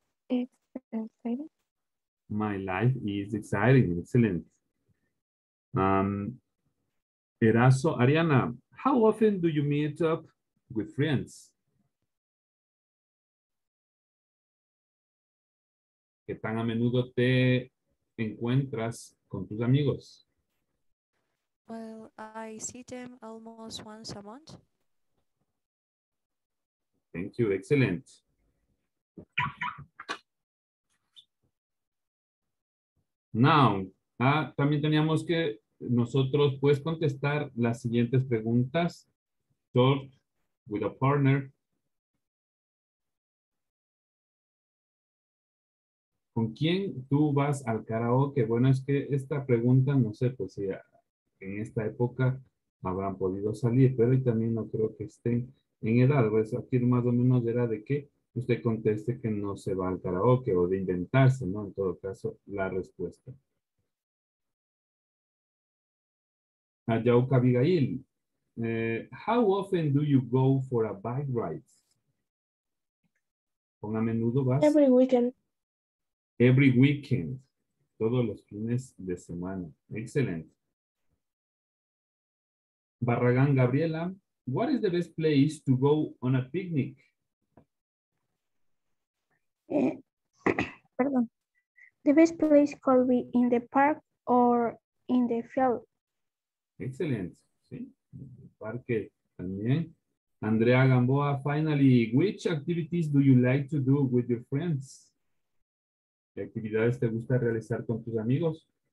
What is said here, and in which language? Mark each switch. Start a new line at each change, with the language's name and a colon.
English: It's exciting. My life is exciting. Excellent. Eraso Ariana. How often do you meet up with friends?
Spanish: ¿Qué tan a menudo te encuentras con tus amigos?
English: Well, I see them almost once a month. Thank you, excellent.
Spanish: Now, también teníamos que nosotros puedes contestar las siguientes preguntas.
English: Talk with a partner.
Spanish: ¿Con quién tú vas al karaoke? Bueno, es que esta pregunta, no sé, pues si en esta época habrán podido salir, pero también no creo que estén en edad. Pues aquí más o menos era de que usted conteste que no se va al karaoke o de inventarse, ¿no? En todo caso, la respuesta.
English: Yauka Abigail, how often do you go for a bike ride?
Spanish: ¿Con a menudo vas?
English: Every weekend. Every weekend.
Spanish: Todos los fines de semana.
English: Excellent. Barragán Gabriela, what is the best place to go on a picnic?
Spanish: Perdón.
English: The best place could be in the park or in the field.
Spanish: Excelente, sí, parque también,
English: Andrea Gamboa, finally, which activities do you like to do with your friends?
Spanish: ¿Qué actividades te gusta realizar con tus amigos?